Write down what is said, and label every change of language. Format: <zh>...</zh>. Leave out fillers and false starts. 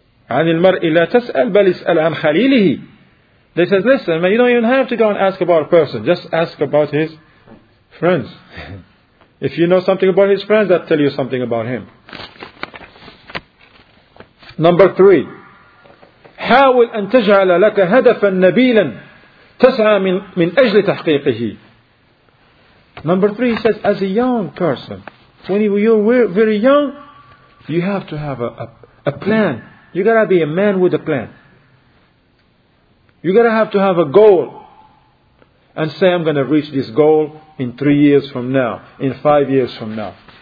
<ar>عَنِ الْمَرْءِ لَا تَسْأَلْ بَلْ اسْأَلْ عَنْ خَلِيلِهِ.</ar> <en>They said, listen, man, you don't even have to go and ask about a person. Just ask about his friends. If you know something about his friends, that tell you something about him. Number three.</en> <ar>حاول أن تجعل لك هدفا نبيلا تسعى من أجل تحقيقه.</ar> <en>Number three, he says, as a young person, when you're very young, you have to have a plan. You gotta be a man with a plan. You gotta have to have a goal and say, I'm gonna reach this goal in 3 years from now, in 5 years from now.</en>